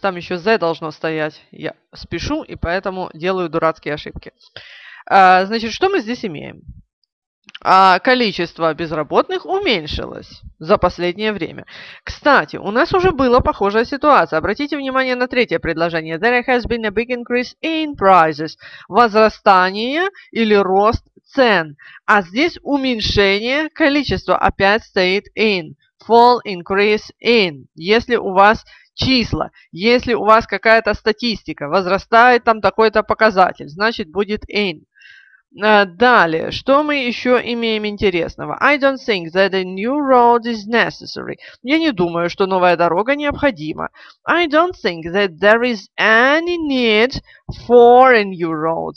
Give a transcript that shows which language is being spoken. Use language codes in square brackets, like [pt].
[ru] Там еще z должно стоять. Я спешу и поэтому делаю дурацкие ошибки. Значит, что мы здесь имеем? Количество безработных уменьшилось за последнее время. Кстати, у нас уже была похожая ситуация. Обратите внимание на третье предложение. [en] There has been a big increase in prices. [ru] Возрастание или рост цен. А здесь уменьшение количества опять стоит in. [en] Fall, increase, in. [ru] Если у вас числа, если у вас какая-то статистика, возрастает там такой-то показатель, значит будет in. Далее, что мы еще имеем интересного? [en] I don't think that a new road is necessary. [ru] Я не думаю, что новая дорога необходима. [en] I don't think that there is any need for a new road.